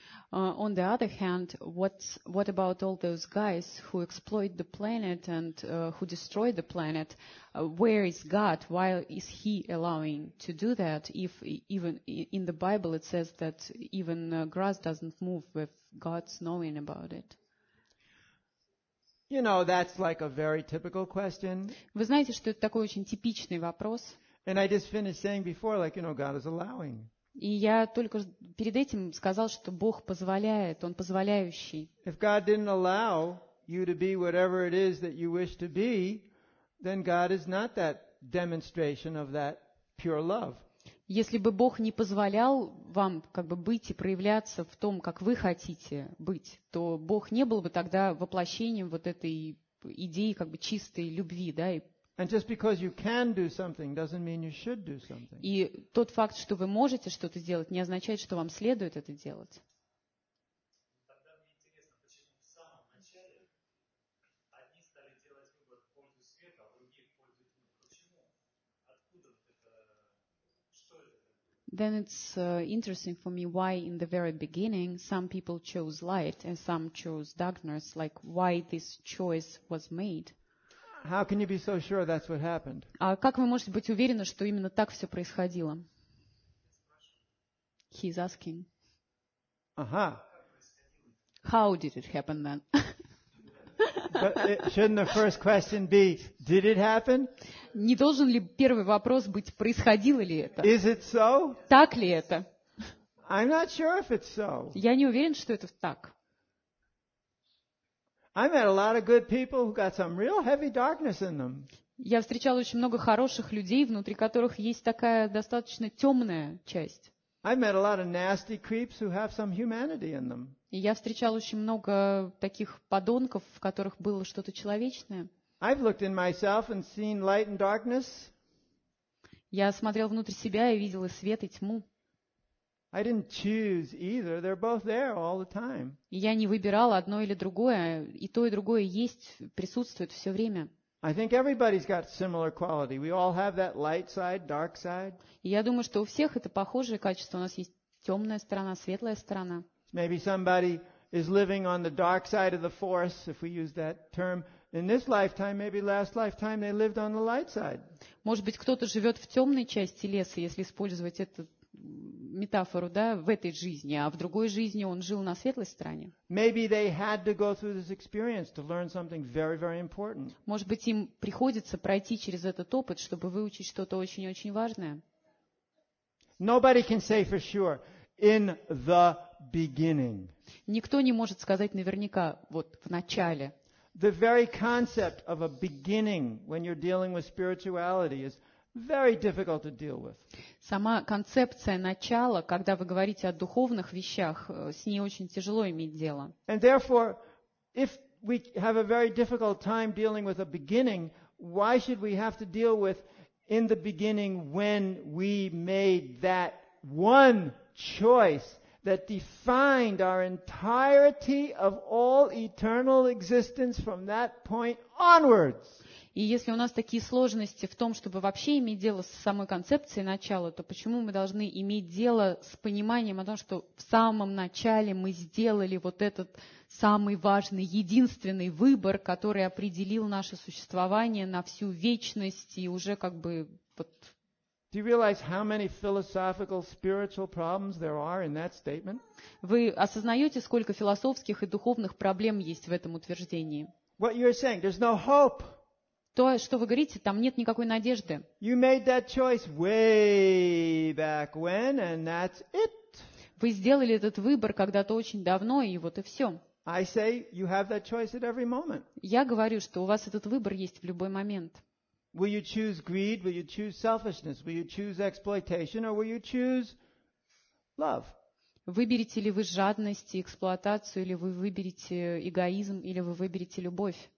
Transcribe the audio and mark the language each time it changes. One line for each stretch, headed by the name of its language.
English: On the other hand, what about all those guys who exploit the planet and who destroy the planet? Where is God? Why is He allowing to do that? If even in the Bible it says that even grass doesn't move with God's knowing about it. You know, that's like a very typical question.
Russian: Вы знаете, что это такой очень типичный вопрос.
English: And I just finished saying before, like, you know, God is allowing.
Russian: И я только перед этим сказал, что Бог позволяет, Он позволяющий.
English: If God didn't allow you to be whatever it is that you wish to be, then God is not that demonstration of that pure love.
Russian: Если бы Бог не позволял вам как бы быть и проявляться в том, как вы хотите быть, то Бог не был бы тогда воплощением вот этой идеи как бы чистой любви, да, и
English: And just because you can do something doesn't mean you should do something.
Russian: И тот факт, что вы можете что-то сделать, не означает, что вам следует это делать. Тогда мне интересно, почему в самом начале одни стали делать выбор в пользу света, а другие в пользу тьмы. Почему? Откуда это? Что это?
English: Then it's interesting for me why in the very beginning some people chose light and some chose darkness, like why this choice was made. How can you be so sure that's what happened?
Russian: А как вы можете быть уверены, что именно так все происходило?
English: He's asking. Aha. How did it happen then? But shouldn't the first question be, did it happen?
Russian: Не должен ли первый вопрос быть, происходило ли это?
English: Is it so?
Russian: Так ли это?
English: I'm not sure if it's so.
Russian: Я не уверен, что это так.
English: I met a lot of good people who got some real heavy darkness in them.
Russian: Я встречал очень много хороших людей, внутри которых есть такая достаточно темная часть.
English: I've met a lot of nasty creeps who have some humanity in them.
Russian: И я встречал очень много таких подонков, в которых было что-то человечное.
English: I've looked in myself and seen light and darkness.
Russian: Я смотрел внутрь себя и видел и свет, и тьму.
English: I didn't choose either. They're both there all the time.
Russian: Я не выбирал одно или другое, и то, и другое есть, присутствует все время.
English: I think everybody's got similar quality. We all have that light side, dark side.
Russian: Я думаю, что у всех это похожие качества. У нас есть темная сторона, светлая сторона.
English: Maybe somebody is living on the dark side of the force, if we use that term. In this lifetime, maybe last lifetime, they lived on the light side.
Russian: Может быть, кто-то живет в темной части леса, если использовать эту метафору, да, в этой жизни, а в другой жизни он жил на светлой стороне.
English: Maybe they had to go through this experience to learn something very, very important.
Russian: Может быть, им приходится пройти через этот опыт, чтобы выучить что-то очень-очень важное.
English: Nobody can say for sure in the beginning.
Russian: Никто не может сказать наверняка вот в начале.
English: The very concept of a beginning when you're dealing with spirituality is very difficult to deal with.
Russian: Сама концепция начала, когда вы говорите о духовных вещах, с ней очень тяжело иметь дело.
English: And therefore, if we have a very difficult time dealing with a beginning, why should we have to deal with in the beginning when we made that one choice that defined our entirety of all eternal existence from that point onwards?
Russian: И если у нас такие сложности в том, чтобы вообще иметь дело с самой концепцией начала, то почему мы должны иметь дело с пониманием о том, что в самом начале мы сделали вот этот самый важный, единственный выбор, который определил наше существование на всю вечность и уже как бы вот...
English: Do you realize how many philosophical, spiritual problems there are in that statement?
Russian: Вы осознаете, сколько философских и духовных проблем есть в этом утверждении?
English: What you're saying, there's no hope.
Russian: То, что вы говорите, там нет никакой надежды.
English: You made that choice way back when, and that's it.
Russian: Вы сделали этот выбор когда-то очень давно, и вот и все.
English: I say you have that choice at every moment.
Russian: Я говорю, что у вас этот выбор есть в любой момент.
English: Will you choose greed? Will you choose selfishness? Will you choose exploitation? Or will you choose love?
Russian: Выберете ли вы жадность и эксплуатацию, или вы выберете эгоизм, или вы выберете любовь?